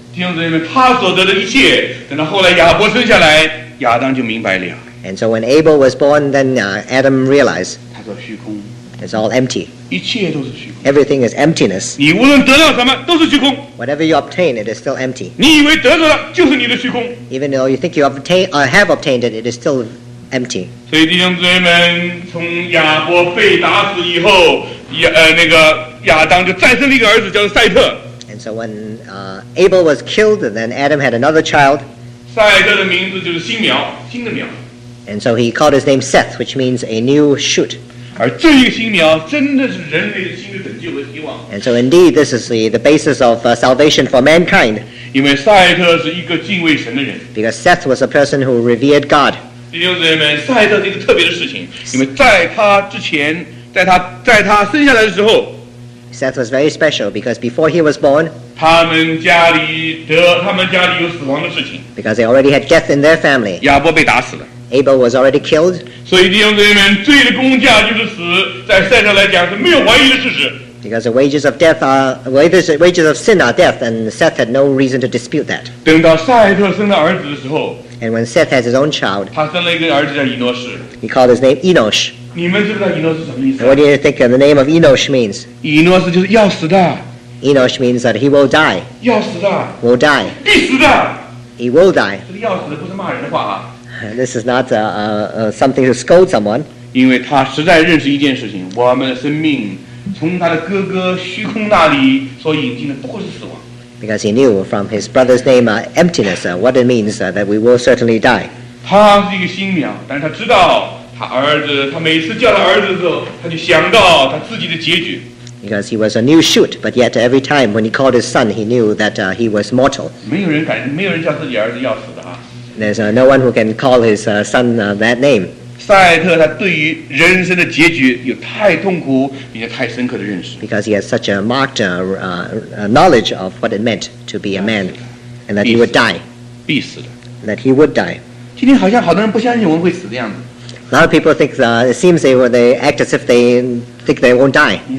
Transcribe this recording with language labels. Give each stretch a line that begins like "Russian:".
Chinese: 弟兄姊妹们，他所得的一切，等到后来亚伯生下来，亚当就明白了。
English: And so when Abel was born, then Adam realized.
Chinese: 他说虚空。
English: It's all empty.
Chinese: 一切都是虚空。
English: Everything is emptiness.
Chinese: 你无论得到什么，都是虚空。
English: Whatever you obtain, it is still empty.
Chinese: 你以为得到了，就是你的虚空。
English: Even though you think you have obtained it, it is still empty.
Chinese: 所以弟兄姊妹们，从亚伯被打死以后。亚当就再生了一个儿子，叫做赛特。
English: And so when Abel was killed, and then Adam had another child.
Chinese: 赛特的名字就是新苗，新的苗。
English: And so he called his name Seth, which means a new shoot.
Chinese: 而这一个新苗真的是人类新的拯救和希望。
English: And so indeed, this is the basis of salvation for mankind.
Chinese: 因为赛特是一个敬畏神的人。
English: Because Seth was a person who revered God.
Chinese: 弟兄姊妹们，赛特是一个特别的事情，因为在他之前。在他生下来的时候
English: Seth was very special because before he was born
Chinese: 他们家里有死亡的事情
English: because they already had death in their family
Chinese: 亚伯被打死了
English: Abel was already killed
Chinese: 所以弟兄姊妹们罪的工价就是死在赛特来讲是没有怀疑的事实
English: because the wages of death are wages of sin are death and Seth had no reason to dispute that
Chinese: 等到赛特生了儿子的时候
English: and when Seth has his own child
Chinese: 他生了一个儿子叫以诺士
English: he called his name Enosh
Chinese: 你们知道 Enosh 是什么意思、
English: And、what do you think the name of Enosh means?
Chinese: Enosh 就是要死的。
English: Enosh means that he will die.
Chinese: 要死的。
English: Will die.
Chinese: 必死的。
English: He will die.
Chinese: 这个要死的不是骂人的话啊。
English: This is not something to scold someone.
Chinese: 因为他实在认识一件事情，我们的生命从他的哥哥虚空那里所引进的不过是死亡。
English: Because he knew from his brother's name emptiness what it means that we will certainly die.
Chinese: 他是一个新苗，但是他知道。他每次叫他儿子的时候，他就想到他自己的结局。
English: Because he was a new shoot, but yet every time when he called his son, he knew that he was mortal.
Chinese: 没有人叫自己儿子要死的啊。
English: There's no one who can call his son that name.
Chinese: 赛特他对于人生的结局有太痛苦，并且太深刻的认识。
English: Because he has such a marked knowledge of what it meant to be a man, and that he would die.
Chinese: 必死的。
English: that he would die. A lot of people think, it seems they act as if they think they won't die.